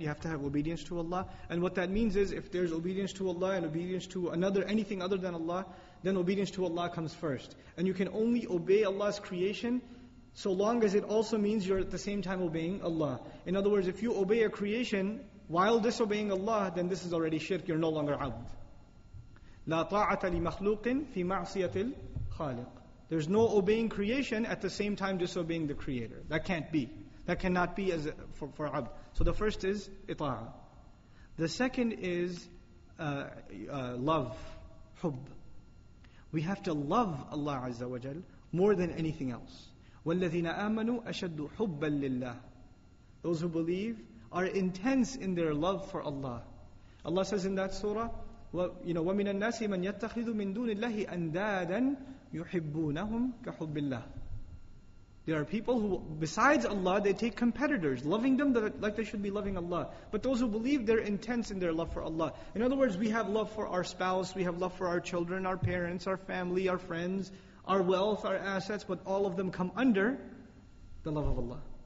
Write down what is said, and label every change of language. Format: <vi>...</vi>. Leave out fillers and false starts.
<en>You have to have obedience to Allah. And what that means is, if there's obedience to Allah and obedience to anything other than Allah, then obedience to Allah comes first. And you can only obey Allah's creation so long as it also means you're at the same time obeying Allah. In other words, if you obey a creation while disobeying Allah, then this is already shirk, you're no longer abd.</en> <ar>لا طاعة لمخلوق في معصية الخالق.</ar> <en>There's no obeying creation at the same time disobeying the Creator. That can't be. That cannot be as for abd. So the first is ita'a. The second is love, hubb. We have to love Allah Azza wa Jal more than anything else.</en> <ar>وَالَّذِينَ آمَنُوا أَشَدُّ حُبًّا لِلَّهِ.</ar> <en>Those who believe are intense in their love for Allah. Allah says in that surah,</en> <ar>وَمِنَ النَّاسِ مَنْ يَتَّخِذُ مِنْ دُونِ اللَّهِ أَنْدَادًا يُحِبُّونَهُمْ كَحُبِّ اللَّهِ.</ar> <en>There are people who, besides Allah, they take competitors, loving them like they should be loving Allah. But those who believe, they're intense in their love for Allah. In other words, we have love for our spouse, we have love for our children, our parents, our family, our friends, our wealth, our assets, but all of them come under the love of Allah.</en>